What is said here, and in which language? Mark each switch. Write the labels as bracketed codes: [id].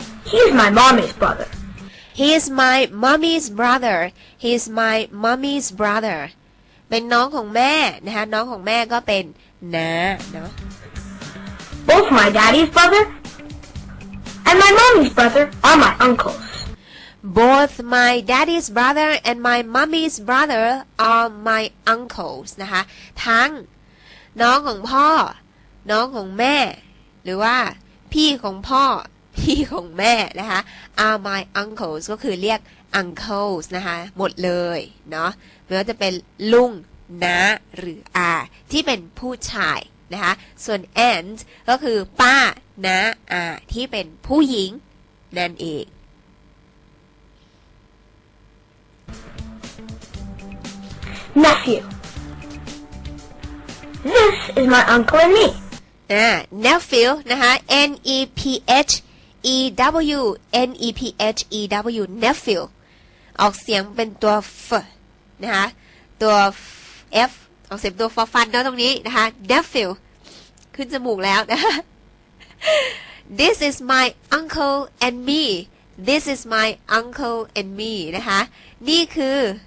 [en] He is my mommy's brother He is my mommy's brother He is my mommy's brother [th] เป็นน้องของแม่นะคะน้องของแม่ก็เป็นน้าเนาะ [en] Both my daddy's brother and my mommy's brother are my uncles. Both my daddy's brother and my mommy's brother are my uncles. [th] นะคะทั้งน้องของพ่อน้องของแม่หรือว่าพี่ของพ่อพี่ของแม่นะคะ [en] are my uncles [th] ก็คือเรียก uncles นะคะหมดเลยเนาะไม่ว่าจะเป็นลุงน้าหรืออาที่เป็นผู้ชายนะคะส่วน aunt ก็คือป้าน้าอาที่เป็นผู้หญิงนั่นเอง [en] nephew this is my uncle and me [th] nephew นะคะ n e p h e w n e p h e w nephew ออกเสียงเป็นตัว f นะคะตัว f ออกเสียงตัว f ฟันเนาะตรงนี้นะคะ nephewขึ้นจมูกแล้วนะ [en] This is my uncle and me [th] This is my uncle and me นะคะนี่คือ